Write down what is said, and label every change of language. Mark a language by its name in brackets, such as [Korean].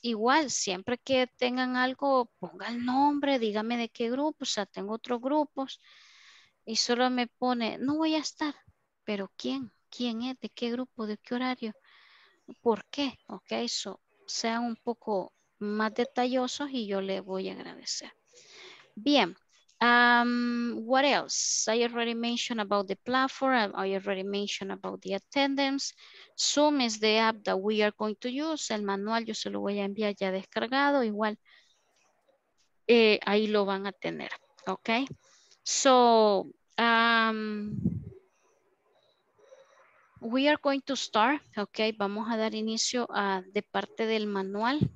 [Spanish] Igual, siempre que tengan algo, ponga el nombre, dígame de qué grupo, o sea, tengo otros grupos y solo me pone, no voy a estar, pero ¿quién? ¿Quién es? ¿De qué grupo? ¿De qué horario? ¿Por qué? Ok, so sean un poco más detallosos y yo le voy a agradecer. [English] Bien, what else? I already mentioned about the platform. I already mentioned about the attendance. Zoom is the app that we are going to use. [Spanish] El manual yo se lo voy a enviar ya descargado. Igual ahí lo van a tener. Ok. [English] So, we are going to start. Ok. [Spanish] Vamos a dar inicio a de parte del manual.